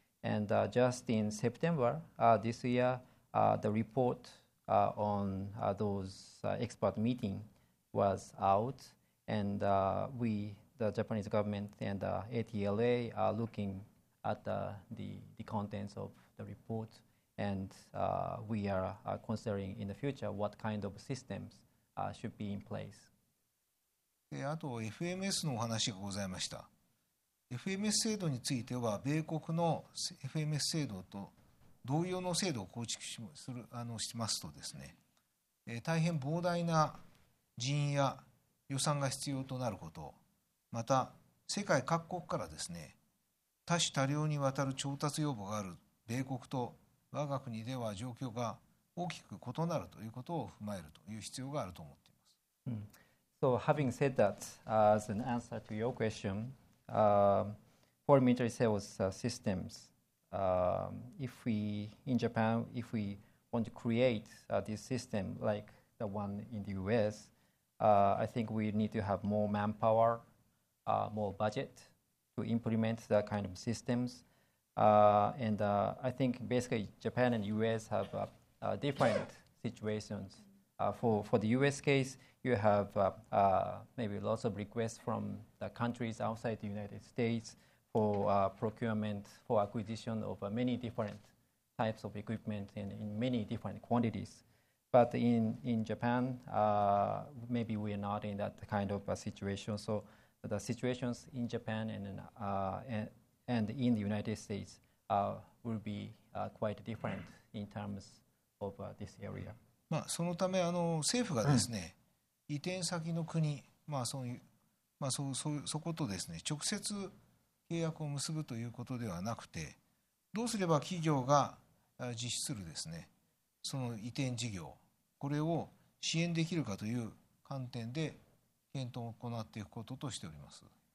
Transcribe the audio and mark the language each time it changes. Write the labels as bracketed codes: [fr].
[en] And just in September this year, the report on those expert meeting was out, and we. The Japanese government and ATLA are looking at the contents of the report, and we are considering in the future what kind of systems should be in place. [ja] あと FMS のお話がございました。FMS 制度については米国の FMS 制度と同様の制度を構築するしますとですね、大変膨大な人員や予算が必要となること。また世界各国からですね、多種多様にわたる調達要望がある米国と我が国では状況が大きく異なるということを踏まえるという必要があると思っています。 [en] So having said that, as an answer to your question, foreign military sales systems, if we in Japan, if we want to create this system like the one in the US, I think we need to have more manpowermore budget to implement that kind of systems. I think basically Japan and US have different situations. For the US case, you have maybe lots of requests from the countries outside the United States for procurement, for acquisition of many different types of equipment and in many different quantities. But in Japan, maybe we are not in that kind of a situation. So,the situations in Japan and in the United States will be quite different in terms of this area. [ja] まあそのため政府がですね、移転先の国、まあそういう、まあそう、そう、そことですね、直接契約を結ぶということではなくて、どうすれば企業が実施するですね、その移転事業、これを支援できるかという観点で検討を行っていくこととしております。